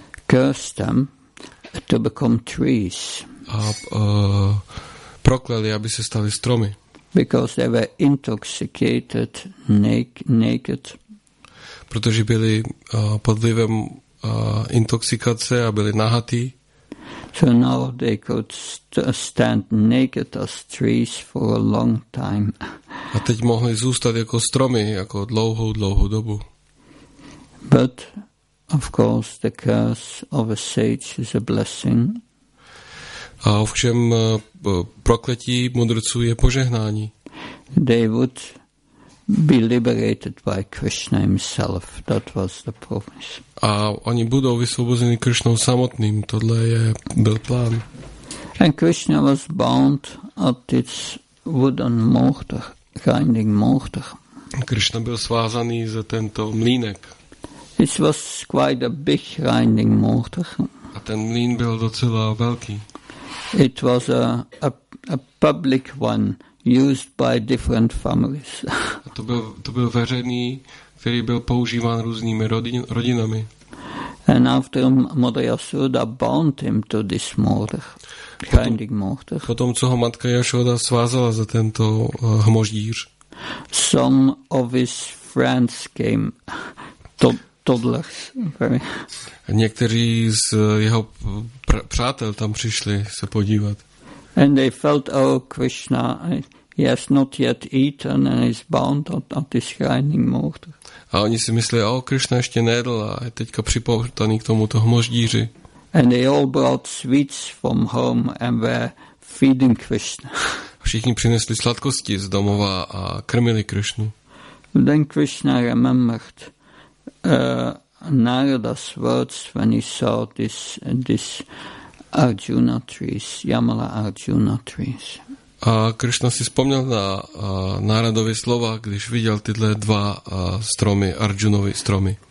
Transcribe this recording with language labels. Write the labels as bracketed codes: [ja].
[en] cursed them to become trees. [cs] A prokleli, aby se stali stromy. [en] Because they were intoxicated, naked. [cs] Protože byli pod vlivem intoxikace a byli nahatí. [en] So now they could stand naked as trees for a long time. [cs] A teď mohli zůstat jako stromy, jako dlouhou, dlouhou dobu. [en] But, of course, the curse of a sage is a blessing. [cs] A ovšem, prokletí mudrců je požehnání. [en] They would be liberated by Krishna himself. That was the promise. [cs] A oni budou vysvobozeni Krishnou samotným. Tohle je byl plán. [en] And Krishna was bound at its wooden mortar, grinding mortar. [cs] Krishna byl svázaný za tento mlýnek. [en] It was quite a big grinding mortar. [cs] A ten mlýn byl docela velký. [en] It was a public one. Used by different families. [cs] To byl veřejný, který byl používán různými rodinami. [en] And after Mother Yashoda bound him to this mortar, grinding mortar. [cs] Potom, co ho matka Yashoda svázala za tento hmoždíř. [en] Some of his friends came, toddlers. [cs] Někteří z jeho přátel tam přišli se podívat. [en] And they felt, oh, Krishna, he has not yet eaten and is bound at this grinding mortar. [cs] A oni si myslí, oh, Krishna ještě nejedl a je teďka připoutaný k tomuto hmoždíři. [en] And they all brought sweets from home and were feeding Krishna. [cs] Všichni přinesli sladkosti z domova a krmili Krishnu. [en] Then Krishna remembered Narada's words when he saw this Arjuna trees, Yamala Arjuna trees. [cs] A Krishna si vzpomněl na Náradovy slova, když viděl tyhle dva stromy, Arjunovy stromy.